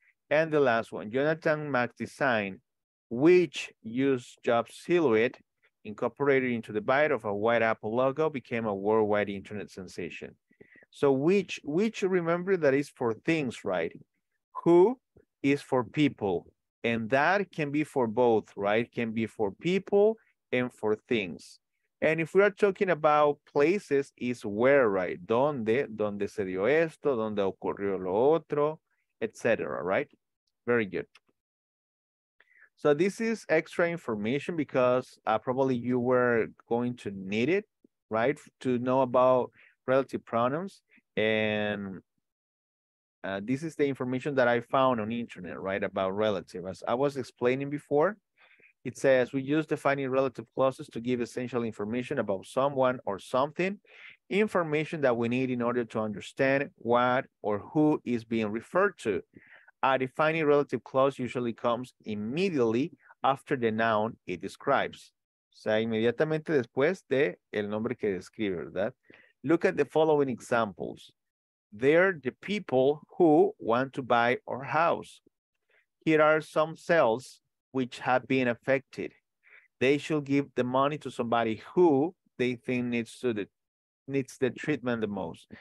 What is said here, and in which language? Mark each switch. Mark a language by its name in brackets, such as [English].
[English] And the last one, Jonathan Mack Design, which used Jobs' silhouette incorporated into the bite of a white apple logo, became a worldwide internet sensation. So which remember that is for things, right? Who is for people? And that can be for both, right? Can be for people and for things. And if we are talking about places, is where, right? [Spanish] Donde, donde se dio esto, donde ocurrió lo otro, etc., right? [English] Very good. So this is extra information because probably you were going to need it, right? To know about relative pronouns. And this is the information that I found on the internet, right? About relative. As I was explaining before, it says we use defining relative clauses to give essential information about someone or something, information that we need in order to understand what or who is being referred to. A defining relative clause usually comes immediately after the noun it describes. [Spanish] O sea, inmediatamente después de el nombre que describe, ¿verdad? [English] Look at the following examples. They're the people who want to buy our house. Here are some sales which have been affected. They should give the money to somebody who they think needs the treatment the most.